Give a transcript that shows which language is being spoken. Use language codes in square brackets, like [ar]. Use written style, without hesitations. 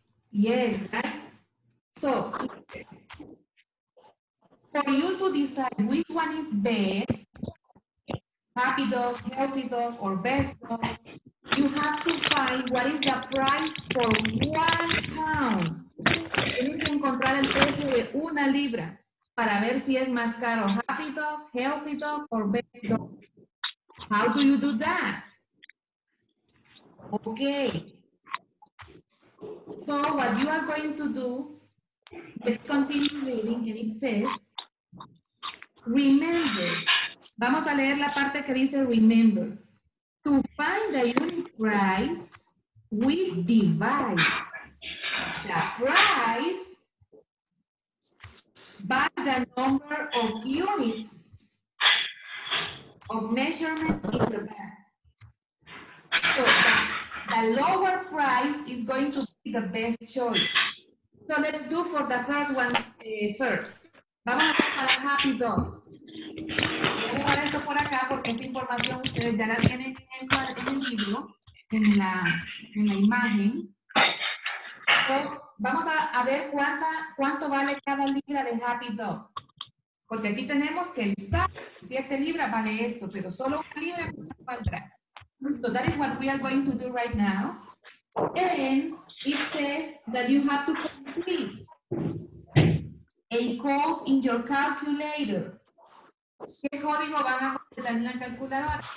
[en] Yes, right? So, for you to decide which one is best, Happy Dog, Healthy Dog, or Best Dog, you have to find what is the price for 1 pound. [es] Tienen que encontrar el precio de una libra. Para ver si es más caro, Happy Dog, Healthy Dog, or Best Dog. [en] How do you do that? Okay. So what you are going to do, let's continue reading, and it says, remember. [es] Vamos a leer la parte que dice remember. [en] To find the unit price, we divide the price by the number of units of measurement in the bag. So the lower price is going to be the best choice. So let's do for the first one first. [es] Vamos a hacer a Happy Dog. Voy a dejar esto por acá porque esta información ustedes ya la tienen en el libro, en la imagen. Entonces, vamos a ver cuánto vale cada libra de Happy Dog. Porque aquí tenemos que el SAT, 7 libras vale esto, pero solo una libra valdrá. [en] So that is what we are going to do right now. And it says that you have to complete a code in your calculator. [es] ¿Qué código van a completar en la calculadora?